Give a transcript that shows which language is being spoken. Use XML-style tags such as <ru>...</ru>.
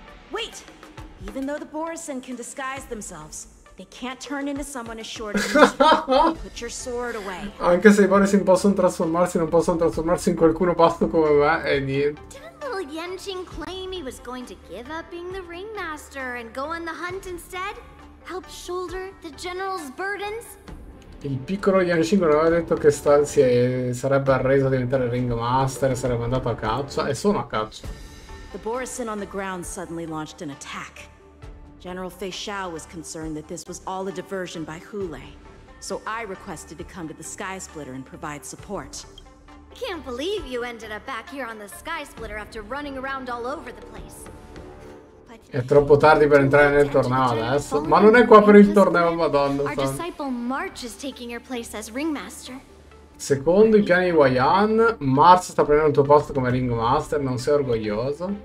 <en>Wait, even though the Borisen can disguise themselves. They can't turn into someone as short as you. Put your sword away.</en> <it>Anche se i Borisin possono trasformarsi, non possono trasformarsi in qualcuno basso come me e niente.</it> <en>Didn't little Yenqing claim he was going to give up being the ringmaster and go on the hunt instead? Help shoulder the general's burdens?</en> <it>Il piccolo Yenqing non aveva detto che si sarebbe arreso a diventare ringmaster e sarebbe andato a caccia, e sono a caccia.</it> <en>The Borisin on the ground suddenly launched an attack. General Fei Shao was concerned that this was all a diversion by Hulei. So I requested to come to the Sky Splitter and provide support. I can't believe you ended up back here on the Sky Splitter after running around all over the place.</en> <it>È troppo tardi per entrare nel torneo adesso. Ma non è qua per il torneo, madonna.</it> <en>Our disciple March is taking your place as ringmaster.</en> <it>Secondo i piani di Wayan, Marz sta prendendo il tuo posto come ringmaster, non sei orgoglioso?</it>